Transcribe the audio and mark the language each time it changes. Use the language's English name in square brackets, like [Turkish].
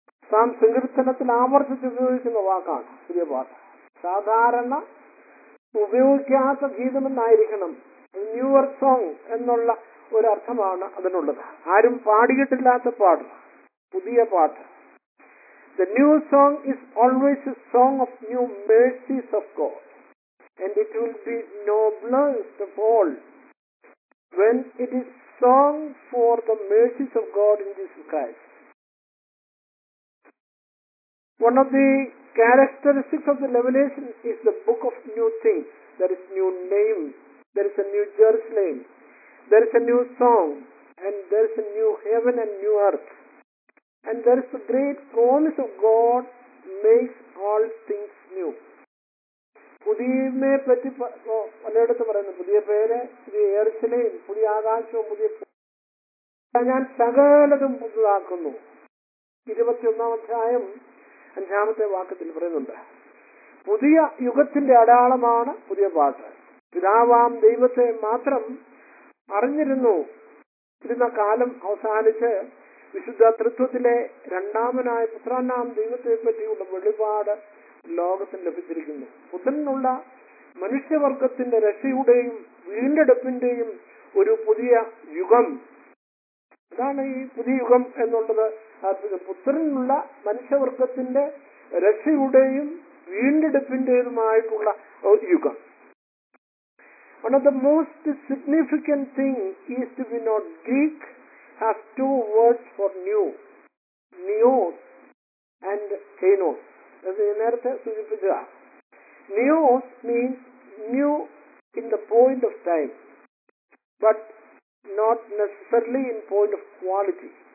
[Malayalam] Sam സങ്കീർത്തനത്തിൽ ആവർത്തിച്ച് ഉപയോഗിക്കുന്ന വാക്കാണ് പുതിയ പാട്ട്. സാധാരണ ഉപയോഗിക്കാത്ത ഗീതമെന്നായിരിക്കണം. [English] newer song [Malayalam] എന്നുള്ള ഒരു അർത്ഥമാണ് അതിനുള്ളത്. ആരും പാടിയിട്ടില്ലാത്ത പാട്ട്, പുതിയ പാട്ട്. [English] The new song is always a song of new mercies of God, and it will be noblest of all when it is sung for the mercies of God in Jesus Christ. One of the characteristics of the revelation is the book of new things. There is new name, there is a new Jerusalem, there is a new song, and there is a new heaven and new earth. And there is a great promise of God makes all things new. [Malayalam] പുതിയമേ പറ്റി പലയിടത്ത് പറയുന്നു, പുതിയ പേര്, പുതിയ ഏർച്ചലയും, പുതിയ ആകാശവും, പുതിയ ഞാൻ സകലതും പുതുതാക്കുന്നു. 21:5 പറയുന്നുണ്ട്, പുതിയ യുഗത്തിന്റെ അടയാളമാണ് പുതിയ പാട്ട്. പിതാവാം ദൈവത്തെ മാത്രം അറിഞ്ഞിരുന്നു. ഇരുന്ന കാലം അവസാനിച്ച് വിശുദ്ധ തൃത്വത്തിലെ രണ്ടാമനായ പുത്രനാം ദൈവത്തെ പറ്റിയുള്ള വെളിപാട് ലോകത്തിൽ ലഭിച്ചിരിക്കുന്നു. പുത്രനുള്ള മനുഷ്യവർഗത്തിന്റെ രക്ഷയുടെയും വീണ്ടെടുപ്പിന്റെയും ഒരു പുതിയ യുഗം. അതാണ് ഈ പുതിയ യുഗം എന്നുള്ളത്. പുത്രനുള്ള മനുഷ്യവർഗത്തിന്റെ രക്ഷയുടെയും വീണ്ടെടുപ്പിന്റേതുമായിട്ടുള്ള യുഗം. [English] One of the most significant thing is to be not Greek has two words for new, neos and kainos. As I narrated to you before, neos means new in the point of time, but not necessarily in point of quality.